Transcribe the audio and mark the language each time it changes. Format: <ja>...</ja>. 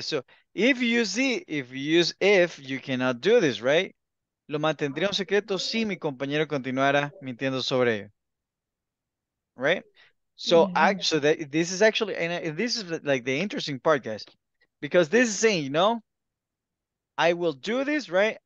<en>So if you use it, if you use if, you cannot do this, right?</en> <es>Lo mantendría un secreto si mi compañero continuara mintiendo sobre ello.</es> <en>Right? So this is actually, and this is like the interesting part, guys. Because this is saying, you know, I will do this, right?</en>